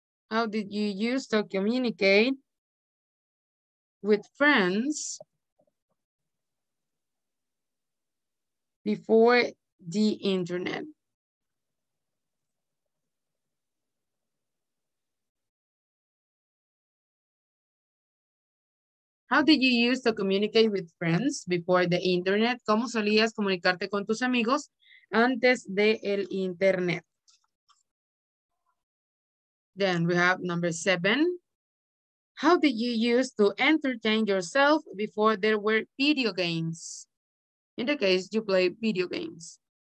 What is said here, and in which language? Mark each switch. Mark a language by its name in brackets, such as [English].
[English] How did you use to communicate with friends before the internet? How did you use to communicate with friends before the internet? [Spanish] ¿Cómo solías comunicarte con tus amigos antes de el internet? [English] Then we have number seven. How did you use to entertain yourself before there were video games? In the case, you play video games.